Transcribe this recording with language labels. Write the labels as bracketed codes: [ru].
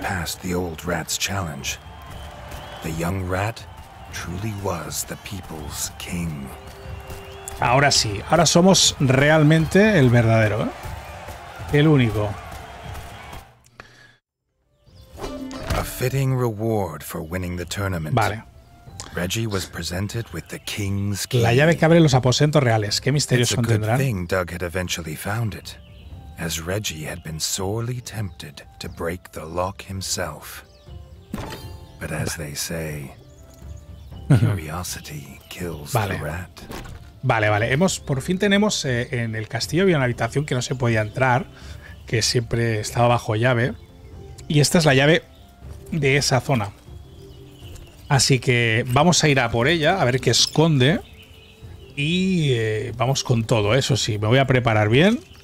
[en] Passed the old rat's challenge. The young rat truly was the people's king. [es] Ahora sí, ahora somos realmente el verdadero, ¿eh? El único. [en] A fitting reward for winning the tournament. [es] Vale. [en] Reggie was presented with the king's key. [es] La llave que abre los aposentos reales. Qué misterios contendrán. [en] It's a good thing Doug had eventually found it. As Reggie had been sorely tempted to break the lock himself. But as they say, curiosity kills the rat. [es] Vale, vale. Hemos, por fin tenemos en el castillo, había una habitación que no se podía entrar, que siempre estaba bajo llave. Y esta es la llave de esa zona. Así que vamos a ir a por ella, a ver qué esconde. Y vamos con todo, eso sí. Me voy a preparar bien.